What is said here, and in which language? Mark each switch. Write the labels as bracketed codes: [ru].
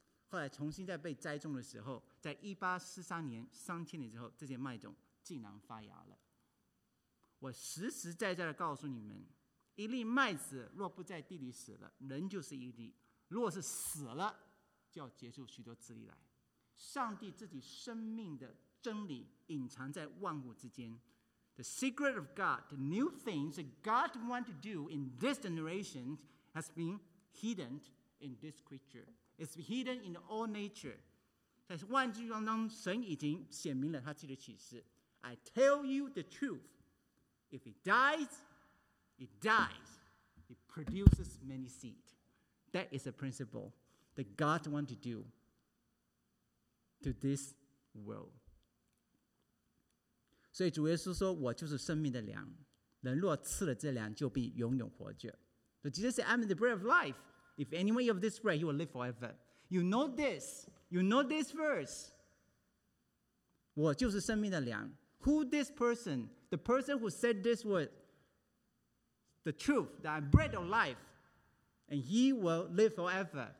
[zh] 后来重新在被栽种的时候，在1843年三千年之后，这些麦种竟然发芽了。我实实在在的告诉你们，一粒麦子若不在地里死了，人就是一粒；若是死了，就要结束许多资历来。上帝自己生命的真理隐藏在万物之间。 [en] The secret of God, the new things that God wants to do in this generation has been hidden in this creature. It's hidden in all nature. [zh] 在万物当中，神已经显明了他自己的启示。 [en] I tell you the truth. If he dies,It dies. It produces many seed. That is a principle that God wants to do to this world. [zh] 所以主耶稣说，我就是生命的粮，人若吃了这粮，就必永远活着。 [en] So Jesus said, I'm the bread of life. If anyone eat of this bread, he will live forever. You know this verse. [zh] 我就是生命的粮。 [en] Who this person, the person who said this word, The truth that I'm bread of life and he will live forever.